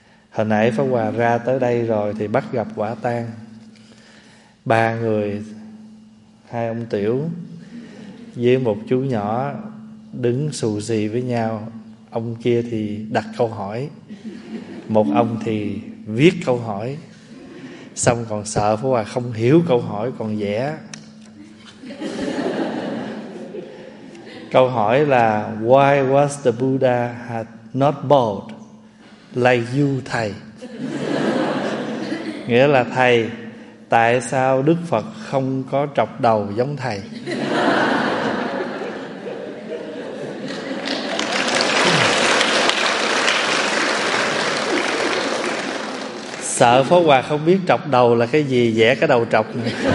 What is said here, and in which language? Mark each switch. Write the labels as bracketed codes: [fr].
[vi] Hồi nãy Pháp Hòa ra tới đây rồi thì bắt gặp quả tang ba người, hai ông tiểu với một chú nhỏ đứng xù xì với nhau. Ông kia thì đặt câu hỏi, một ông thì viết câu hỏi, xong còn sợ Pháp Hòa không hiểu câu hỏi còn vẽ. [en] Câu hỏi là: Why was the Buddha not bald like you, thầy? [vi] Nghĩa là thầy, tại sao Đức Phật không có trọc đầu giống thầy? Sợ Phó Hòa không biết trọc đầu là cái gì, vẽ cái đầu trọc này.